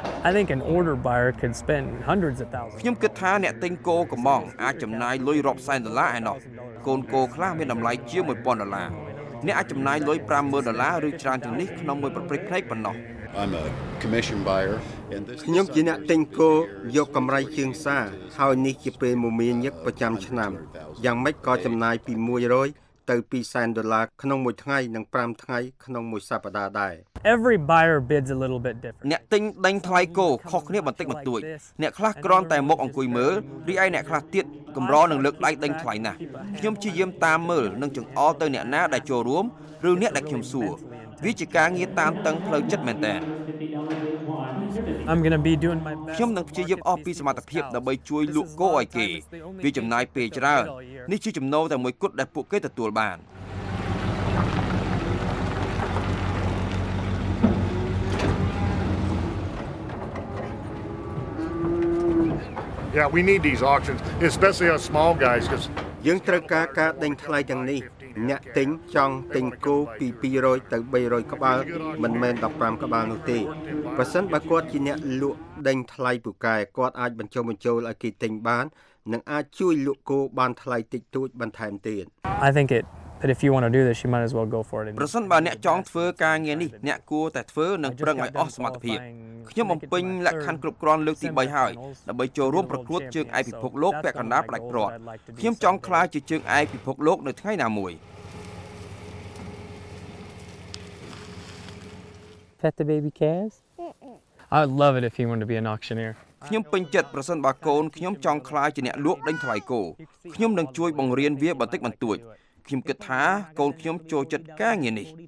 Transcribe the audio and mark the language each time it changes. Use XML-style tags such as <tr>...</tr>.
<en>I think an order buyer could spend hundreds of thousands.</en> <km>ខ្ញុំគិតថាអ្នកទិញគោកំមងអាចចំណាយលុយរាប់សែនដុល្លារឯណោះកូនគោខ្លះមានតម្លៃជាង1000ដុល្លារអ្នកអាចចំណាយលុយ50000ដុល្លារឬច្រើនជាងនេះក្នុងមួយប្រភេទផ្នែកប៉ុណ្ណោះ</km> <en>I'm a commission buyer and this</en> <km>ខ្ញុំជាអ្នកទិញគោយកកម្រៃជាងសារហើយនេះជាពេលមមាញឹកប្រចាំឆ្នាំយ៉ាងម៉េចក៏ចំណាយពី100ទៅ2សែនដុល្លារក្នុងមួយថ្ងៃនិង5ថ្ងៃក្នុងមួយសប្តាហ៍ដែរ</km> <en>Every buyer bids a little bit different.</en> <km>អ្នកទិញដេញថ្លៃគោខុសគ្នាបន្តិចបន្តួចអ្នកខ្លះក្រាន់តែមកអង្គុយមើលរីឯអ្នកខ្លះទៀតកម្រនឹងលើកដៃដេញថ្លៃណាស់ខ្ញុំជាយាមតាមមើលនិងចង្អុលទៅអ្នកណាដែលចូលរួមឬអ្នកដែលខ្ញុំសួរវាជាការងារតាមតឹងផ្លូវចិត្តមែនតើ</km> <en>I'm going to be doing my best.</en> <km>ខ្ញុំនឹងព្យាយាមអស់ពីសមត្ថភាពដើម្បីជួយលក់គោឲ្យគេវាចំណាយពេលច្រើននេះជាចំណូលតែមួយគត់ដែលពួកគេទទួលបាន</km> <en>Yeah, we need these auctions, especially our small guys because</en> <km>យើងត្រូវការការដេញថ្លៃទាំងនេះអ្នកទិញចង់ទិញគោពី200ទៅ300ក្បាលមិនមែន15ក្បាលនោះទេប៉ះសិនបើគាត់ជាអ្នកលក់ដេញថ្លៃពូកែគាត់អាចបញ្ចុះបញ្ចូលឲ្យគេទិញបាននិងអាចជួយលក់គោបានថ្លៃតិចតួចបន្ថែមទៀត</km> <en>I think itBut if you want to do this, you might as well go for it.</en> <km>ប្រសិនបើអ្នកចង់ធ្វើការងារនេះអ្នកគួរតែធ្វើនិងប្រឹងឲ្យអស់សមត្ថភាពខ្ញុំបំពេញលក្ខខណ្ឌគ្រប់គ្រាន់លើកទី3ហើយដើម្បីចូលរួមប្រកួតជើងឯកពិភពលោកពាក់កណ្ដាលផ្ដាច់ព្រ័ត្រខ្ញុំចង់ក្លាយជាជើងឯកពិភពលោកនៅថ្ងៃណាមួយ</km> <en>Pet the baby cares? I would love it if you want to be an auctioneer.</en> <km>ខ្ញុំពេញចិត្តប្រសិនបើកូនខ្ញុំចង់ក្លាយជាអ្នកលក់ដេញថ្លៃគោខ្ញុំនឹងជួយបង្រៀនវាបន្តិចបន្តួចខ្ញុំគិតថាកូនខ្ញុំចូលចិត្តការងារនេះ</km>